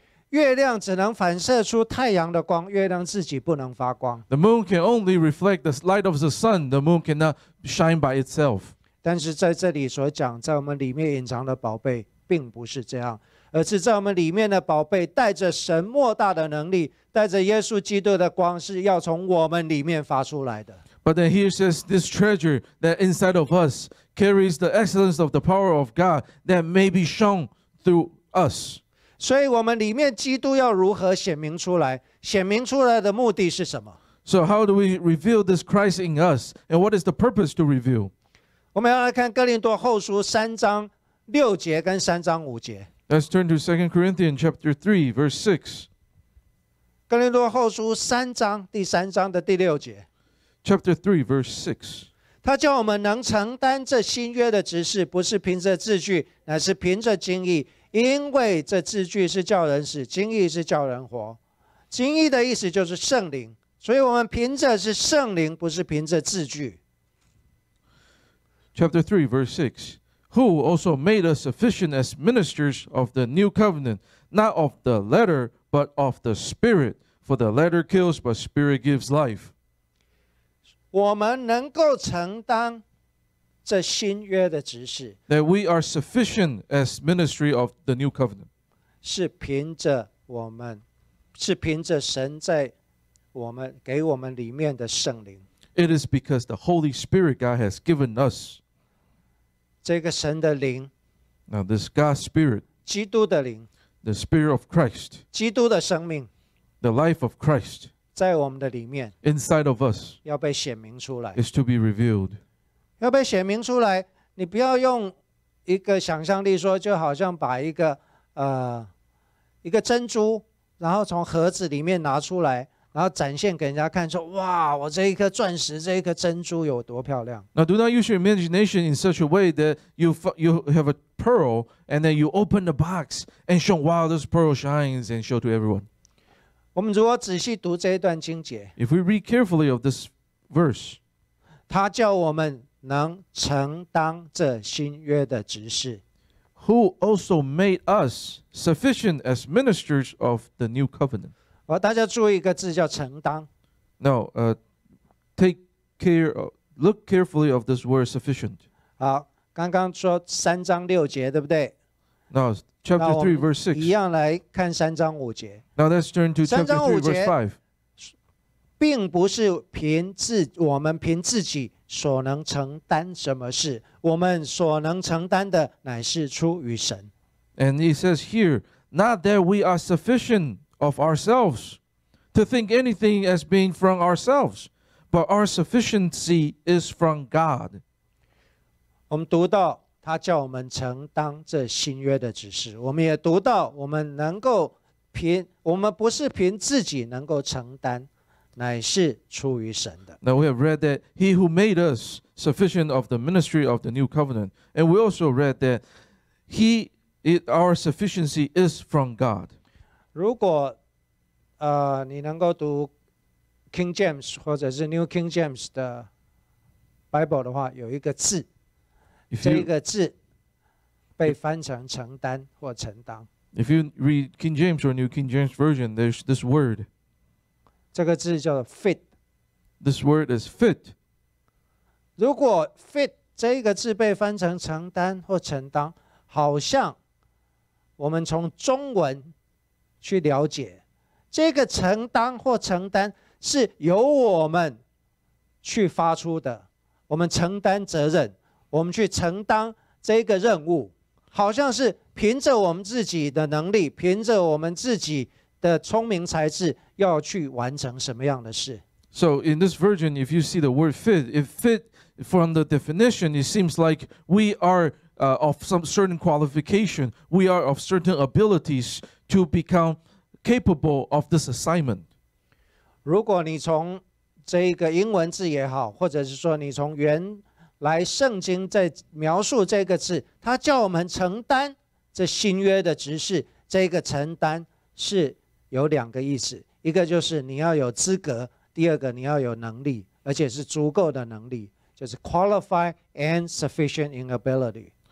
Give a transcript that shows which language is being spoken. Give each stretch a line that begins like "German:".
Chinese: 月亮只能反射出太阳的光，月亮自己不能发光。
English: The moon can only reflect the light of the sun. The moon cannot shine by itself.
Chinese: 但是在这里所讲，在我们里面隐藏的宝贝并不是这样。而是在我们里面的宝贝带着神莫大的能力，带着耶稣基督的光，是要从我们里面发出来的。
English: But then here says this treasure that inside of us carries the excellence of the power of God that may be shown through us.
Chinese: 所以我们里面基督要如何显明出来？显明出来的目的是什么？
English: So how do we reveal this Christ in us? And what is the purpose to reveal?
Chinese: 我们要来看哥林多后书三章六节跟三章五节。
English: Let's turn to 2 Corinthians chapter 3, verse 6.
Chinese: 哥林多后书三章第三章的第六节。
English: Chapter 3, verse 6.
Chinese: 他叫我们能承担这新约的职事，不是凭着字句，乃是凭着经义，因为这字句是叫人死，经义是叫人活。经义的意思就是圣灵，所以我们凭着是圣灵，不是凭着字句。
English: Chapter 3, verse 6. Who also made us sufficient as ministers of the new covenant, not of the letter, but of the spirit. For the letter kills, but spirit gives life.
Chinese: 我们能够承担这新约的职事。
English: That we are sufficient as ministry of the new covenant.
Chinese: 是凭着我们，是凭着神在我们，给我们里面的圣灵。
English: It is because the Holy Spirit God has given us.
Chinese: 这个神的灵
English: Now this God's spirit
Chinese: 基督的灵
English: The spirit of Christ
Chinese: 基督的生命
English: The life of Christ
Chinese: 在我们的里面
English: Inside of us
Chinese: 要被显明出来
English: Is to be revealed
Chinese: 要被显明出来你不要用一个想象力说就好像把一个珍珠然后从盒子里面拿出来然后展现给人家看说哇我这一颗钻石这一颗珍珠有多漂亮。
English: Now do not use your imagination in such a way that you have a pearl and then you open the box and show wow this pearl shines and show to everyone.
Chinese: 我们如果仔细读这一段经节
English: If we read carefully of this verse,
Chinese: 他叫我们能承担这新约的职事。
English: Who also made us sufficient as ministers of the new covenant.
Chinese: 我大家注意一个字叫承担。
English: No, take care, look carefully of this word sufficient.
Chinese: 好，刚刚说三章六节，对不对
English: ？No, chapter 3 verse 6.
Chinese: 一样来看三章五节。
English: Now let's turn to chapter 3 verse 5.
Chinese: 并不是我们凭自己所能承担什么事，我们所能承担的乃是出于神。
English: And it says here, not that we are sufficient. Of ourselves, to think anything as being from ourselves, but our sufficiency is from God.
Chinese: 我们读到他叫我们承担这新约的职事，我们也读到我们能够凭我们不是凭自己能够承担，乃是出于神的。
English: Now we have read that He who made us sufficient of the ministry of the new covenant, and we also read that our sufficiency is from God.
Chinese: 如果你能够读 King James 或者是 New King James 的 Bible 的话，有一个字，
English: you,
Chinese: 这一个字被翻成承担或承担。
English: If you read King James or New King James Version, there's this word.
Chinese: 这个字叫 fit.
English: This word is fit.
Chinese: 如果 fit 这一个字被翻成承担或承担，好像我们从中文去了解这个承担或承担是由我们去发出的我们承担责任，我们去承担这个任务，好像是凭着我们自己的能力，凭着我们自己的聪明才智，要去完成什么样的事。
English: So in this version, if you see the word fit, if fit from the definition, it seems like we are of some certain qualification, we are of certain abilities to become capable of this assignment.
Chinese: 如果你从这个英文字也好，或者是说你从原来圣经在描述这个字，它叫我们承担这新约的职事，这个承担是有两个意思，一个就是你要有资格，第二个你要有能力，而且是足够的能力，就是
English: qualify and sufficient in ability.